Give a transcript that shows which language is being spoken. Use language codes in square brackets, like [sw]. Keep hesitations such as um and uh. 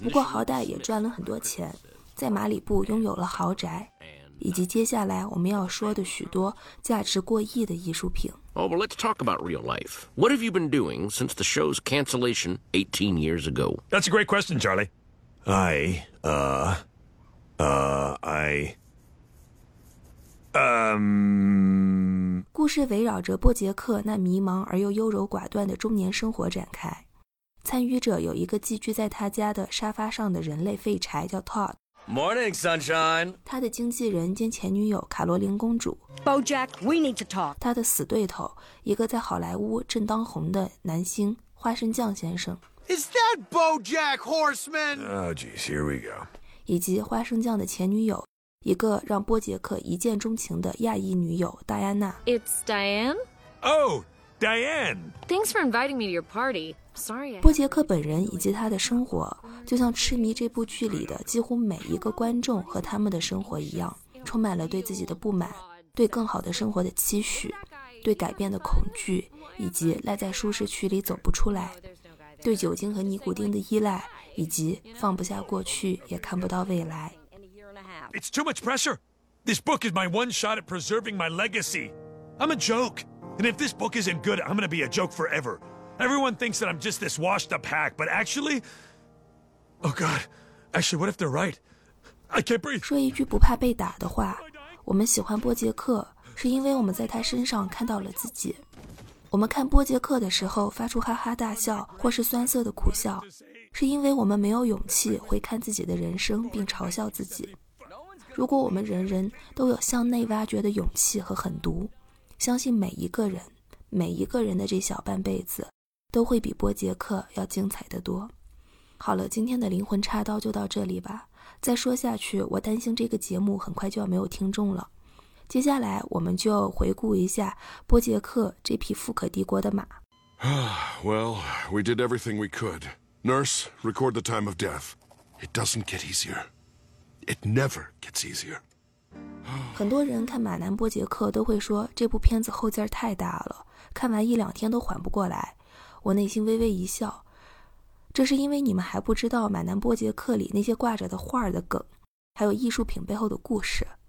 [zh] 不过好歹也赚了很多钱，在马里布拥有了豪宅，以及接下来我们要说的许多价值过亿的艺术品。 [en] Oh, but let's talk about real life. What have you been doing since the show's cancellation 18 years ago? That's a great question, Charlie. I, uh, uh, I. 嗯，um, [zh] 故事围绕着波杰克那迷茫而又优柔寡断的中年生活展开。参与者有一个寄居在他家的沙发上的人类废柴，叫 Todd。 [en] Morning, sunshine。 [zh] 他的经纪人兼前女友卡罗琳公主。 [en] BoJack, we need to talk。 [zh] 他的死对头，一个在好莱坞正当红的男星花生酱先生。 [en] Is that BoJack Horseman? Oh, e e z here we go。 [zh] 以及花生酱的前女友。一个让波杰克一见钟情的亚裔女友戴安娜。 [en] It's Diane. Oh, Diane. Thanks for inviting me to your party. Sorry. [zh] 波杰克本人以及他的生活，就像痴迷这部剧里的几乎每一个观众和他们的生活一样，充满了对自己的不满、对更好的生活的期许、对改变的恐惧，以及赖在舒适区里走不出来、对酒精和尼古丁的依赖，以及放不下过去也看不到未来。 [en] It's too much pressure. This book is my one shot at preserving my legacy. I'm a joke, and if this book isn't good, I'm gonna be a joke forever. Everyone thinks that I'm just this washed-up hack, but actually, oh god, actually, what if they're right? I can't breathe. [zh] 说一句不怕被打的话，我们喜欢波杰克，是因为我们在他身上看到了自己。我们看波杰克的时候发出哈哈大笑或是酸涩的苦笑，是因为我们没有勇气回看自己的人生并嘲笑自己。如果我们人人都有向内挖掘的勇气和狠毒，相信每一个人，每一个人的这小半辈子都会比波杰克要精彩得多。好了，今天的灵魂插刀就到这里吧。再说下去，我担心这个节目很快就要没有听众了。接下来，我们就回顾一下波杰克这匹富可敌国的马。 [en] Well, we did everything we could. Nurse, record the time of death. It doesn't get easier. It never gets easier. gets never [zh] 很多人看《马南波杰克》都会说这部片子后劲儿太大了，看完一两天都缓不过来。我内心微微一笑，这是因为你们还不知道《马南波杰克》里那些挂着的画的梗，还有艺术品背后的故事。